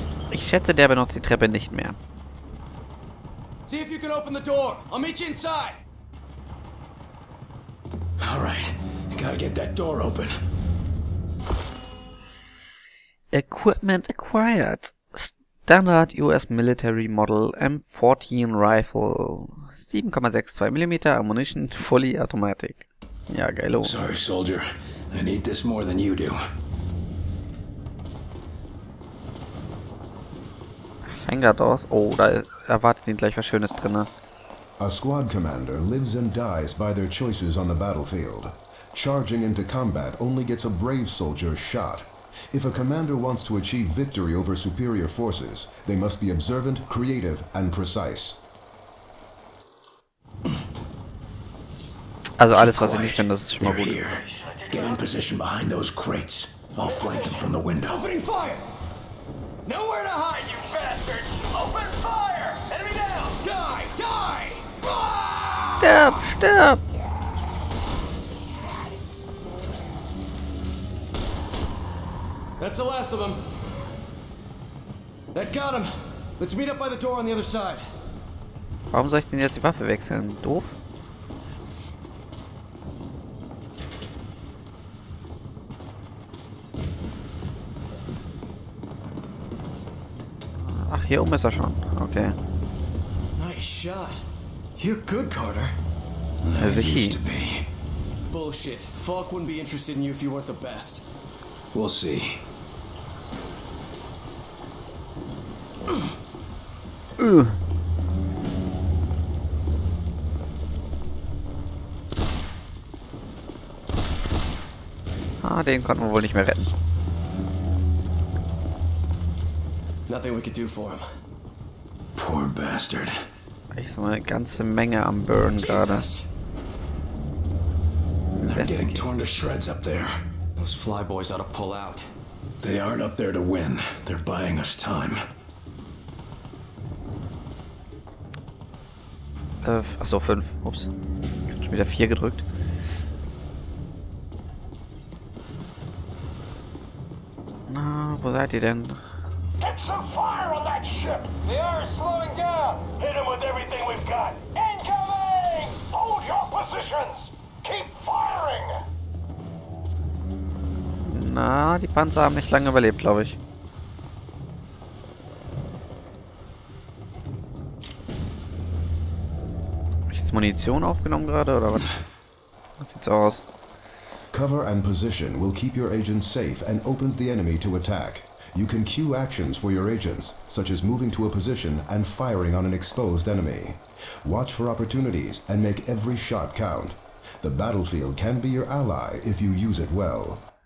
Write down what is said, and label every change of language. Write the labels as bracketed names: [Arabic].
[German] Ich schätze, der benutzt die Treppe nicht mehr. [English] See if you can open the door. I'll meet you inside. All right. Gotta get that door open. Equipment acquired. Standard US Military Model M14 Rifle. 7,62 mm Ammunition, fully automatic. [German] Ja, geilo. [English] Sorry, soldier. I need this more than you do. Hangar Doors. [German] Oh, da erwartet ihn gleich was Schönes drinne. [English] A squad commander lives and dies by their choices on the battlefield. Charging into combat only gets a brave soldier shot. If a commander wants to achieve victory over superior forces, they must be observant, creative and precise. [German] Also alles, was ich nicht kann, das ist schon mal gut. [English] Get in position behind those crates. I'll flank them from the window. Opening fire! Nowhere to hide, you bastard! Open fire! Enemy down! Die! Die! Stop! Stop! That's the last of them. That got him. Let's meet up by the door on the other side. [German] Warum soll ich denn jetzt die Waffe wechseln? Doof. Ach, hier oben ist er schon. Okay. [English] Nice shot. You're good, Carter. As it used to be. Bullshit. Falk wouldn't be interested in you if you weren't the best. We'll see. [German] Ah, den konnten wir wohl nicht mehr retten. [English] Nothing we could do for him. Poor bastard. [German] Ich so eine ganze Menge am Burn gerade. [English] They're getting torn to shreds up there. Those flyboys ought to pull out. They aren't up there to win. They're buying us time. [German] Achso, 5. Ups. Ich hab schon wieder 4 gedrückt. Na, wo seid ihr denn? [English] Get some fire on that ship! They are slowing down! Hit them with everything we've got! Incoming! Hold your positions! Keep firing! [German] Na, die Panzer haben nicht lange überlebt, glaube ich. Munition aufgenommen gerade oder was? Was sieht's aus? [English] Cover and position will keep your agents safe and opens the enemy to attack. You can cue actions for your agents, such as moving to a position and firing on an exposed enemy. Watch for opportunities and make every shot count. The battlefield can be your ally if you use it well.